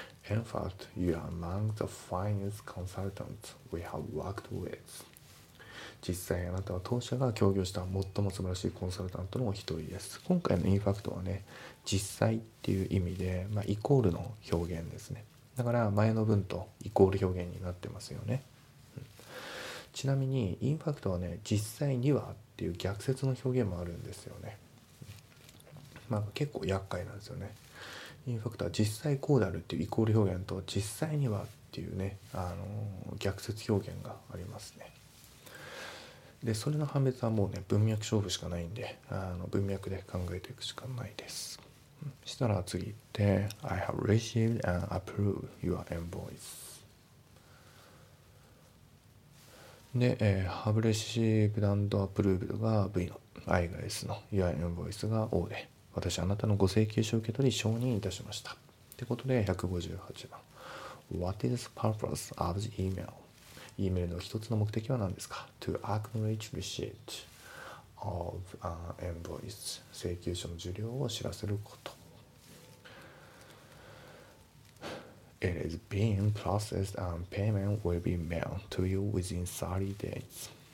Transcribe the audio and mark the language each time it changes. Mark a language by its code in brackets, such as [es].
[en] In fact, you are among the finest consultants we have worked with. [ja] 実際あなたは当社が協業した最も素晴らしいコンサルタントの一人です。今回の In fact はね、実際っていう意味で、まあ、イコールの表現ですね。だから前の文とイコール表現になってますよね。ちなみに In fact はね、実際にはっていう逆説の表現もあるんですよね。まあ結構厄介なんですよね。インファクトは実際こうであるっていうイコール表現と、実際にはっていうね、逆説表現がありますね。でそれの判別はもうね、文脈勝負しかないんで、文脈で考えていくしかないです。したら次行って [en] I have received and approved your invoice。 [ja] で、Have received and approved が V の、I が S の、Your invoice が O で、私あなたのご請求書を受け取り承認いたしました。ってことで158番。 [en] What is the purpose of the email? [ja] E メールの一つの目的は何ですか ? [en] To acknowledge receipt of an invoice。 [ja] 請求書の受領を知らせること。 [en] It is being processed and payment will be mailed to you within 30 days.